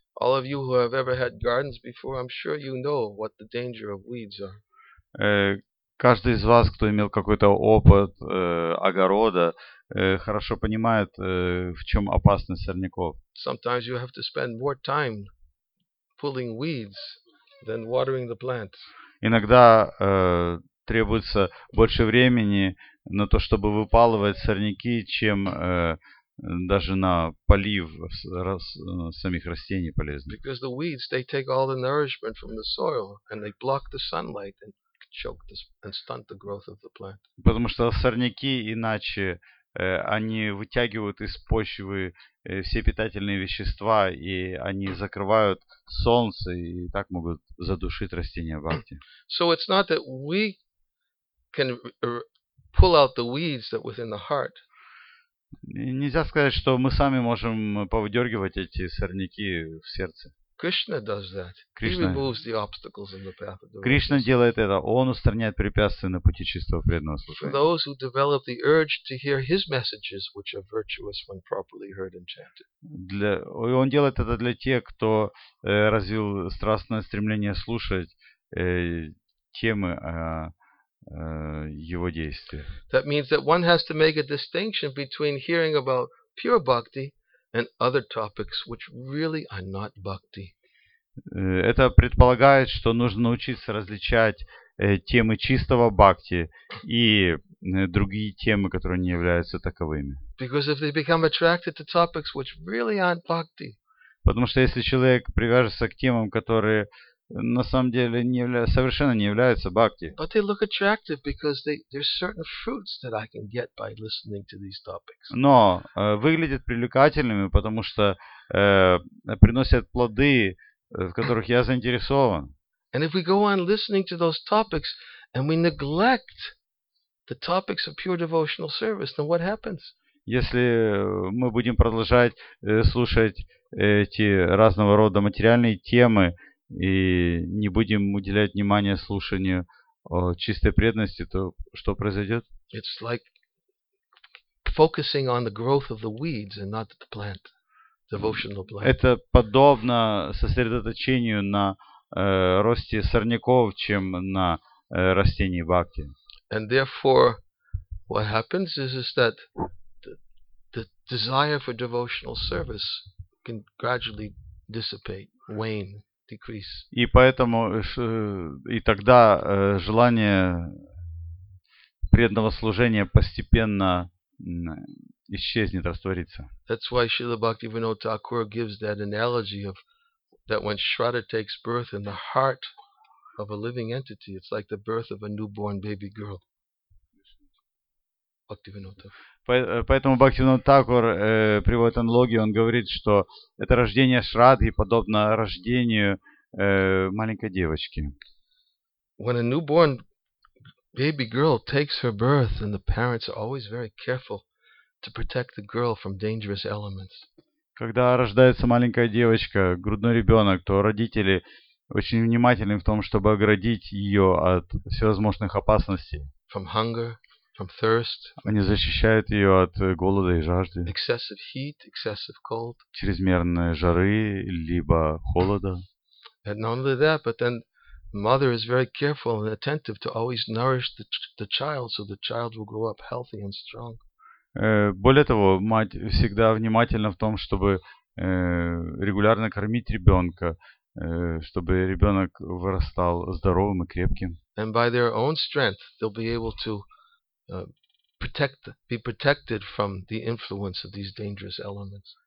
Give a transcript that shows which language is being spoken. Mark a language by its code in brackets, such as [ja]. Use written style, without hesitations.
[en] All of you who have ever had gardens before, I'm sure you know what the danger of weeds are. [ru] Каждый из вас, кто имел какой-то опыт огорода, хорошо понимает, в чем опасность сорняков. [en] Sometimes you have to spend more time pulling weeds than watering the plants. [ru] Иногда требуется больше времени на то, чтобы выпалывать сорняки, чем даже на полив самих растений полезных. [en] Because the weeds, they take all the nourishment from the soil and they block the sunlight and choke the, and stunt the growth of the plant. [ru] Потому что сорняки иначе они вытягивают из почвы все питательные вещества и они закрывают солнце и так могут задушить растения бхакти. [en] So it's not that we can pull out the weeds that within the heart. [ru] Нельзя сказать, что мы сами можем повыдергивать эти сорняки в сердце. [en] Krishna does that. Krishna. He removes the obstacles in the path of devotion. [ru] Krishna делает это. Он устраняет препятствия на пути чистого преданного служения. [en] For those who develop the urge to hear his messages, which are virtuous when properly heard and chanted. [ru] Он делает это для тех, кто развил страстное стремление слушать темы его действия. [en] That means that one has to make a distinction between hearing about pure bhakti and other topics which really are not bhakti. [ru] Это предполагает, что нужно научиться различать темы чистого бхакти и другие темы, которые не являются таковыми. [en] Because if they become attracted to topics which really aren't bhakti. [ru] Потому что если человек привяжется к темам, которые на самом деле совершенно не являются бхакти. [en] But they look attractive because there's certain fruits that I can get by listening to these topics. [ru] Но выглядят привлекательными, потому что приносят плоды, в которых я заинтересован. [en] And if we go on listening to those topics and we neglect the topics of pure devotional service, then what happens? [ru] Если мы будем продолжать слушать эти разного рода материальные темы и не будем уделять внимания слушанию чистой преданности, то что произойдет? [en] It's like focusing on the growth of the weeds and not the plant, devotional plant. [ru] Это подобно сосредоточению на росте сорняков, чем на растении бхакти. [en] And therefore, what happens is that the desire for devotional service can gradually dissipate, wane. [ru] И поэтому и тогда желание преданного служения постепенно исчезнет, растворится. [en] That's why Śrīla Bhaktivinoda Thakur gives that analogy of that when Shraddha takes birth in the heart of a living entity, it's like the birth of a newborn baby girl. [ru] Поэтому Бхактивинода Тхакур приводит аналогию, он говорит, что это рождение Шрадхи подобно рождению маленькой девочки. [en] When a newborn baby girl takes her birth, and the parents are always very careful to protect the girl from dangerous elements. [ru] Когда рождается маленькая девочка, грудной ребенок, то родители очень внимательны в том, чтобы оградить ее от всевозможных опасностей. [en] From hunger, from thirst. [ru] Они защищают ее от голода и жажды. [en] Excessive heat, excessive cold. [ru] Чрезмерной жары либо холода. [en] And not only that, but then the mother is very careful and attentive to always nourish the child, so the child will grow up healthy and strong. [ru] Более того, мать всегда внимательна в том, чтобы регулярно кормить ребенка, чтобы ребенок вырастал здоровым и крепким. [en] And by their own strength, they'll be able to be protected from the influence of these dangerous elements.